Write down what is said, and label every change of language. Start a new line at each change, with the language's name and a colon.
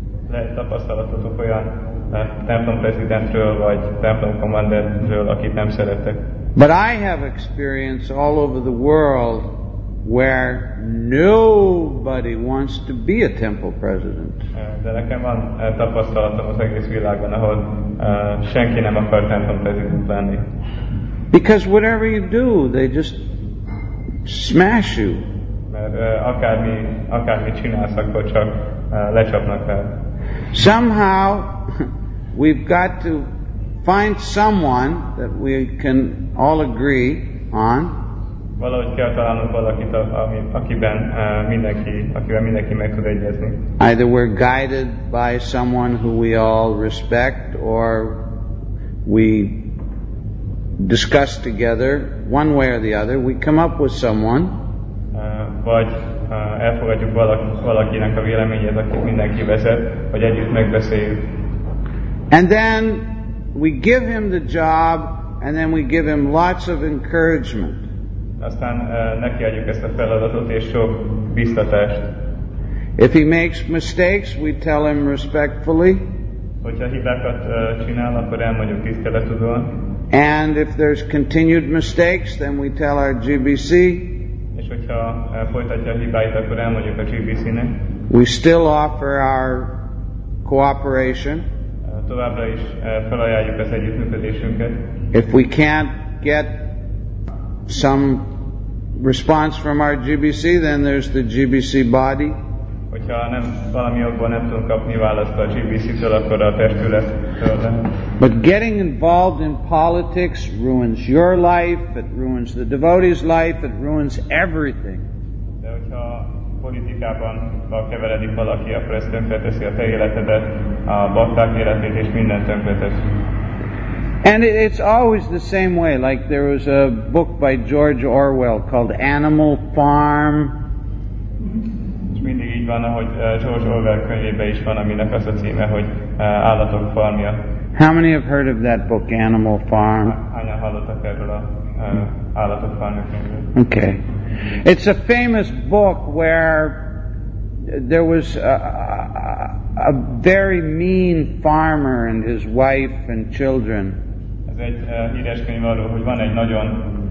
Hungarian: Lehet tapasztalatotok olyan templom prezidentről vagy templom kommanderről, akit nem szeretek.
English: But I have experience all over the world where nobody wants to be a temple president.
Hungarian: De nekem van tapasztalatom az egész világban, ahol senki nem akar templom prezident lenni.
English: Because whatever you do, they just smash you.
Hungarian: Mert akármi csinálsz, akkor csak lecsapnak el.
English: Somehow we've got to find someone that we can all agree on.
Hungarian: Valahogy kell találnunk valakit, akiben mindenki meg tud egyezni.
English: Either we're guided by someone who we all respect, or we discuss together one way or the other. We come up with someone.
Hungarian: Vagy elfogadjuk valakinek a véleményét, akit mindenki vezet, vagy együtt megbeszéljük.
English: And then we give him the job, and then we give him lots of encouragement.
Hungarian: Aztán nekiadjuk ezt a feladatot és sok biztatást.
English: If he makes mistakes, we tell him respectfully.
Hungarian: Hogyha hibákat csinál, akkor elmondjuk tisztelettudóan.
English: And if there's continued mistakes, then we tell our GBC.
Hungarian: És hogyha folytatja a hibáit, akkor elmondjuk a GBC-nek.
English: We still offer our cooperation.
Hungarian: Továbbra is felajánljuk az együttműködésünket.
English: If we can't get some response from our GBC, then there's the GBC body.
Hungarian: Hogyha nem valami okból nem tudunk kapni választ a GBC-től, akkor a testülettől.
English: But getting involved in politics ruins your life, it ruins the devotee's life, it ruins everything.
Hungarian: De hogyha politikában keveredik valaki, akkor ez tönkreteszi a te életedet, a bhakták életét és minden tönkretesz.
English: And it's always the same way. Like there was a book by George Orwell called Animal Farm.
Hungarian: És mindig így van, ahogy George Orwell könyvében is van, aminek az a címe, hogy Állatok farmja.
English: How many have heard of that book, Animal Farm?
Hungarian: Hányan hallottak erről a Állatok farmja könyvről?
English: Okay. It's a famous book where there was a very mean farmer and his wife and children.
Hungarian: Ez egy híres könyv arról, hogy van egy nagyon